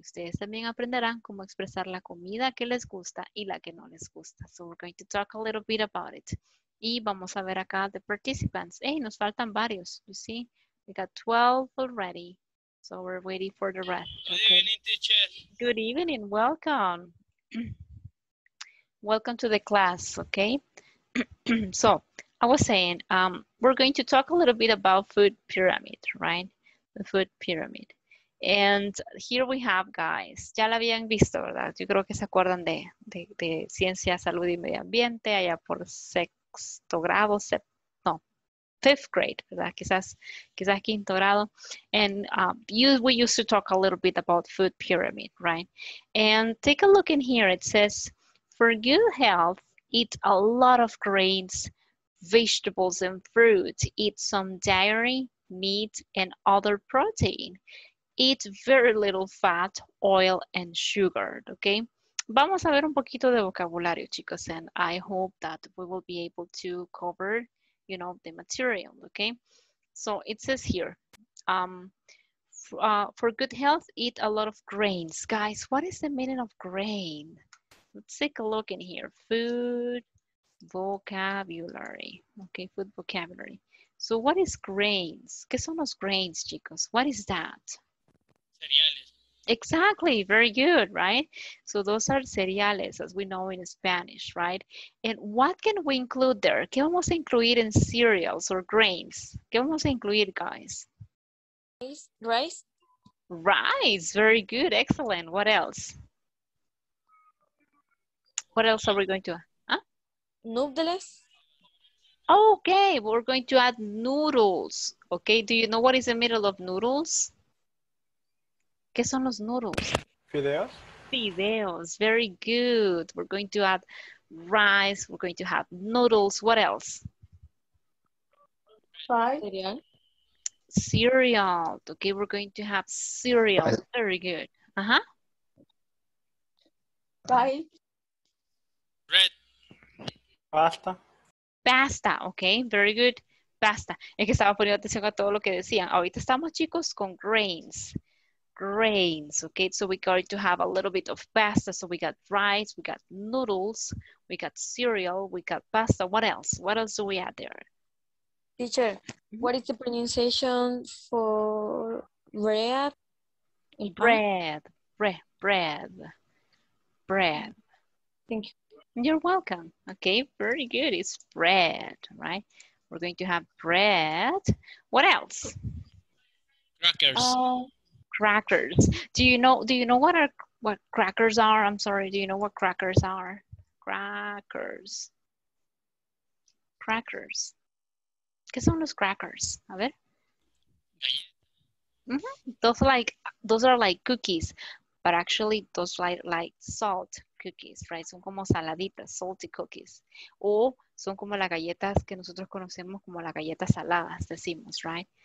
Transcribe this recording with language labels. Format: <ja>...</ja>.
<es>Ustedes también aprenderán cómo expresar la comida que les gusta y la que no les gusta.</es> <en>So we're going to talk a little bit about it.</en> <es>Y vamos a ver acá</es> <en>the participants.</en> <es>Hey, nos faltan varios.</es> <en>You see, we got 12 already. So we're waiting for the rest. Good evening, teacher. Good evening. Welcome. Welcome to the class, okay? So, I was saying, we're going to talk a little bit about food pyramid, right? The food pyramid. And here we have, guys,</en> <es>ya la habían visto, ¿verdad? Yo creo que se acuerdan de ciencia, salud y medio ambiente, allá por sexto grado,</es> <en>fifth grade,</en> <es>¿verdad? Quizás quinto grado.</es> <en>And we used to talk a little bit about food pyramid, right? And take a look in here. It says, for good health, eat a lot of grains, vegetables and fruit, eat some dairy, meat and other protein, eat very little fat, oil and sugar, okay?</en> <es>Vamos a ver un poquito de vocabulario, chicos,</es> <en>and I hope that we will be able to cover, you know, the material, okay? So it says here, for good health, eat a lot of grains. Guys, what is the meaning of grain? Let's take a look in here, food, vocabulary, okay, food vocabulary. So what is grains?</en> <es>¿Qué son los grains, chicos?</es> <en>What is that?</en> <es>Cereales.</es> <en>Exactly, very good, right? So those are cereales, as we know in Spanish, right? And what can we include there?</en> <es>¿Qué vamos a incluir</es> <en>in cereals or grains?</en> <es>¿Qué vamos a incluir, guys?</es> <en>Rice. Rice, very good, excellent. What else? What else are we going to add? Noodles. Okay, we're going to add noodles. Okay, do you know what is the middle of noodles?</en> <es>¿Qué son los noodles? Fideos.</es> <en>fideos. Very good. We're going to add rice. We're going to have noodles. What else? Cereal. Cereal. Okay, we're going to have cereal. Very good. Uh-huh. Bye. Bread. Pasta. Pasta. Okay, very good. Pasta.</en> <es>Es que estaba poniendo atención a todo lo que decían. Ahorita estamos, chicos, con grains. Grains, okay?</es> <en>So we're going to have a little bit of pasta. So we got rice, we got noodles, we got cereal, we got pasta. What else? What else do we add there? Teacher, what is the pronunciation for bread? Bread. Bread. Bread. Bread. Thank you. You're welcome. Okay, very good. It's bread, right? We're going to have bread. What else? Crackers. Crackers. Do you know what are what crackers are? I'm sorry. Do you know what crackers are? Crackers. Crackers.</en> <es>¿Qué son los crackers? A ver. Mm-hmm.</es> <en>Those are like cookies, but actually those like salt cookies, right?</en> <es>Son como saladitas,</es> <en>salty cookies.</en> <es>O son como las galletas que nosotros conocemos como las galletas saladas, decimos, right?</es>